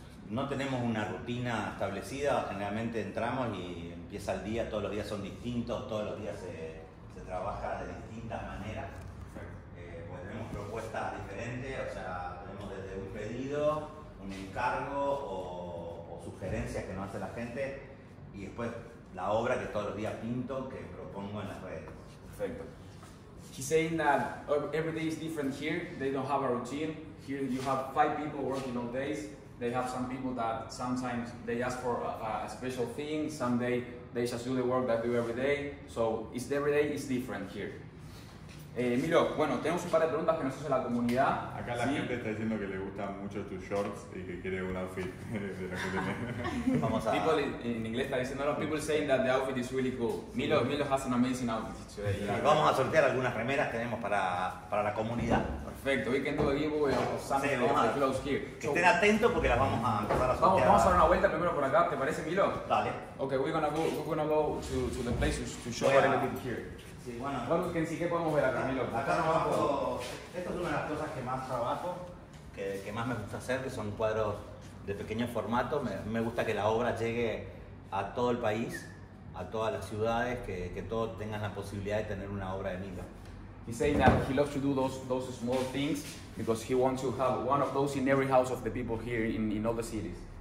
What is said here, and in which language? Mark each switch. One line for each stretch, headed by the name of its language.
Spanish: No tenemos una rutina establecida, generalmente entramos y empieza el día, todos los días son distintos, todos los días se trabaja de distintas maneras. Pues tenemos propuestas diferentes, o sea, tenemos desde un pedido, un encargo o sugerencias que nos hace la gente y después la obra que todos los días pinto, que propongo en las redes. Perfecto.
English: He's saying that every day is different here, they don't have a routine. Here you have 5 people working all days. They have some people that sometimes they ask for a special thing, some day they just do the work that they do every day. So it's every day is different here.
Spanish: Milo, bueno, tenemos un par de preguntas que nos hace la comunidad. Acá la gente está diciendo que le gustan mucho tus shorts y que quiere un outfit.
English: People in English
Spanish: está diciendo, no,
English: people saying that the outfit is really cool. Milo, sí. Milo has an amazing outfit today. Sí,
Spanish: vamos a sortear algunas remeras que tenemos para la comunidad.
English: Perfecto, we can do a giveaway of some of the clothes here.
Spanish: Estén atentos porque las vamos a empezar a sortear. Vamos a dar una vuelta primero por acá, ¿te parece, Milo? Dale.
English: Ok, we're gonna go to the places to show a little bit here.
Spanish: Sí, bueno, que en sí, ¿qué podemos ver acá, Milo? Acá nos vamos. Esto es una de las cosas que más trabajo, que más me gusta hacer, que son cuadros de pequeño formato. Me gusta que la obra llegue a todo el país, a todas las ciudades, que todos tengan la posibilidad de tener una obra de Milo.
English: He's saying that he loves to do those small things because he wants to have one of those in every house of the people here in all the cities.